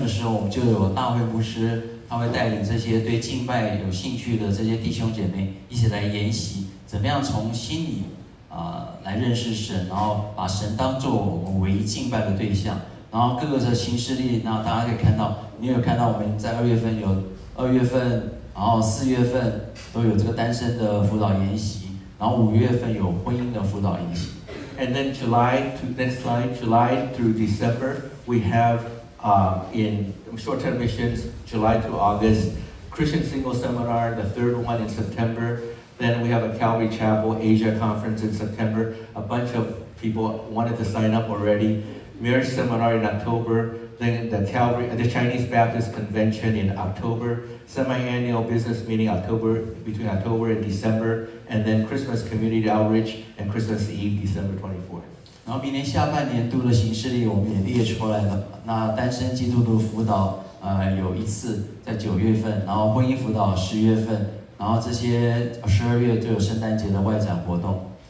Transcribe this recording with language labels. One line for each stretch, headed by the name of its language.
Chinese: 所以明年上半年度第一个1月份的时候，我们就有大会牧师 他会带领这些对敬拜有兴趣的这些弟兄姐妹一起来研习，怎么样从心里来认识神，然后把神当作我们唯一敬拜的对象。然后各个的行事历，那大家可以看到，你有看到我们在2月份有2月份，然后4月份都有这个单身的辅导研习。然后五月份有婚姻的辅导营习。
English: And then July to next slide, July through December, we have in short-term missions, July to August, Christian single seminar, the third one in September. Then we have a Calvary Chapel Asia conference in September. A bunch of people wanted to sign up already. Marriage seminar in October. Then the Calvary, the Chinese Baptist convention in October. Semi-annual business meeting October, between October and December. And then Christmas community outreach and Christmas Eve, December 24th.
Chinese: 然后明年下半年度的行事历我们也列出来了。那单身基督徒辅导有一次在九月份，然后婚姻辅导十月份，然后这些十二月就有圣诞节的外展活动。